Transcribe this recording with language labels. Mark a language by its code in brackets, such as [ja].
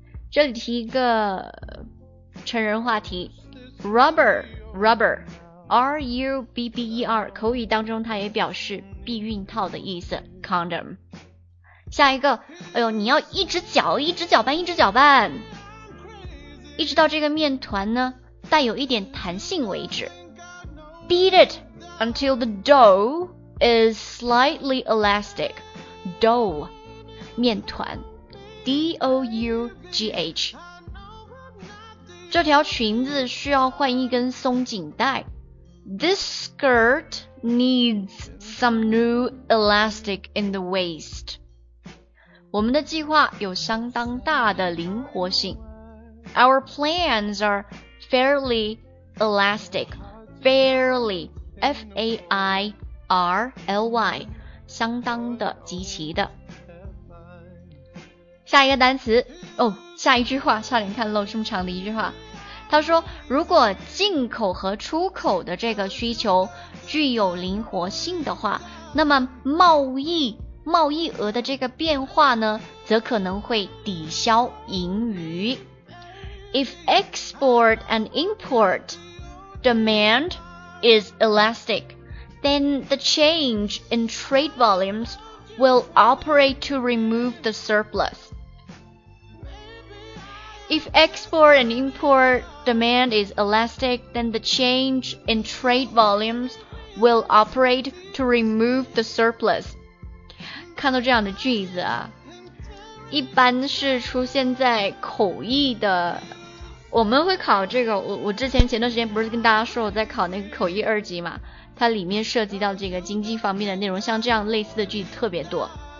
[zh] 这里提一个成人话题， Rubber R-U-B-B-E-R 口语当中它也表示避孕套的意思， Condom。下一个，哎呦，你要一直搅一直搅拌一直搅拌，一直到这个面团呢带有一点弹性为止。 [en] Beat it until the dough is slightly elastic. [zh] Dough 面团， D-O-U-G-H。这条裙子需要换一根松紧带。 [en] This skirt needs some new elastic in the waist. [zh] 我们的计划有相当大的灵活性。 [en] Our plans are fairly elastic. Fairly, F-A-I-R-L-Y. [zh] 相当的极其的。下一个单词哦，下一句话差点看漏这么长的一句话。他说，如果进口和出口的这个需求具有灵活性的话，那么贸易额的这个变化呢，则可能会抵消盈余。 [en] If export and import demand is elastic, then the change in trade volumes will operate to remove the surplus. If export and import demand is elastic, then the change in trade volumes will operate to remove the surplus. [zh] 看到这样的句子啊，一般是出现在口译的，我们会考这个，我之前前段时间不是跟大家说我在考那个口译二级嘛，它里面涉及到这个经济方面的内容，像这样类似的句子特别多。